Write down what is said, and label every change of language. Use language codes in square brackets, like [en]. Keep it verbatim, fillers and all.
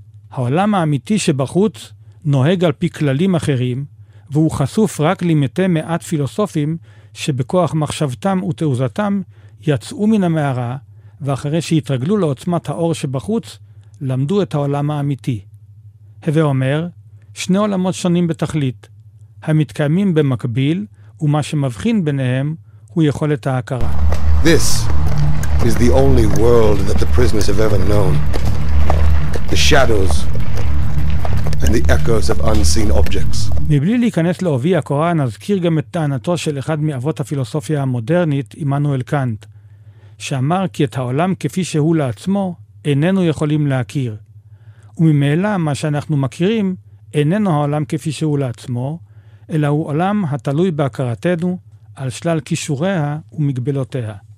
[he] העולם האמיתי שבחוץ נוהג על פי כללים אחרים, והוא חשוף רק למתי מעט פילוסופים שבכוח מחשבתם ותעוזתם יצאו מן המערה, ואחרי שהתרגלו לעוצמת האור שבחוץ, למדו את העולם האמיתי. הווה אומר, שני עולמות שונים בתכלית, המתקיימים במקביל, ומה שמבחין ביניהם הוא יכולת ההכרה. [en] This is the only world that the prisoners have ever known. The shadows and the echoes of unseen objects. [he] מבלי להיכנס לעובי הקורה, נזכיר גם את טענתו של אחד מאבות הפילוסופיה המודרנית, עמנואל קאנט, שאמר כי את העולם כפי שהוא לעצמו, איננו יכולים להכיר. וממילא מה שאנחנו מכירים, איננו העולם כפי שהוא לעצמו, אלא הוא עולם התלוי בהכרתנו על שלל כישוריה ומגבלותיה.